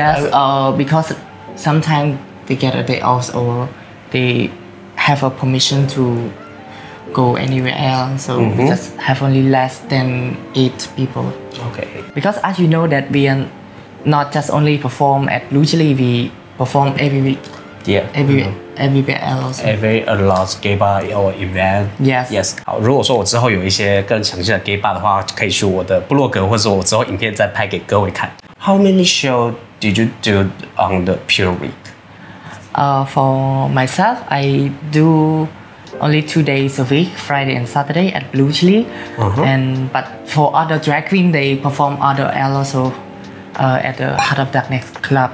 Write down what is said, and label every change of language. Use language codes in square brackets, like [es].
[en] Yes, because sometimes they get a day off or they have a permission to go anywhere else. So we just have only less than 8 people. Okay. Because as you know that we are not just only perform at Blue Chili, we perform every week. Yeah. Everywhere else. Every a lot gay bar or event. Yes. Yes. [zh] 好，如果说我之后有一些更详细的 gay bar 的话，可以去我的部落格或者我之后影片再拍给各位看。 [en] How many show did you do on the pure week? For myself, I do only 2 days a week, Friday and Saturday at Blue Chili. But for other drag queens, they perform other L also at the Heart of Darkness Club.